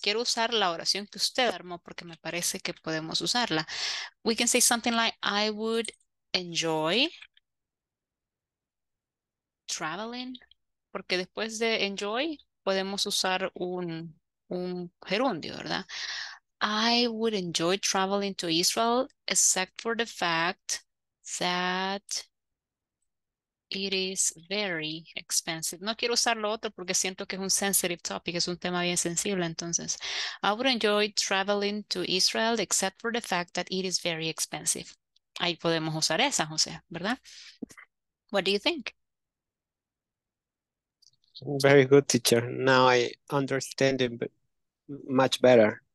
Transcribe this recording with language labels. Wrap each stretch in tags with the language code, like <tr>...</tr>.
<es>Quiero usar la oración que usted armó porque me parece que podemos usarla.</es> <en>We can say something like, I would enjoy traveling?</en> <es>Porque después de enjoy podemos usar un gerundio, ¿verdad?</es> <en>I would enjoy traveling to Israel except for the fact that it is very expensive.</en> <es>No quiero usar lo otro porque siento que es un</es> <en>sensitive topic,</en> <es>es un tema bien sensible.</es> <en>Entonces, I would enjoy traveling to Israel except for the fact that it is very expensive.</en> <es>Ahí podemos usar esa, José, ¿verdad?</es> <en>What do you think? Very good, teacher. Now I understand it much better.</en>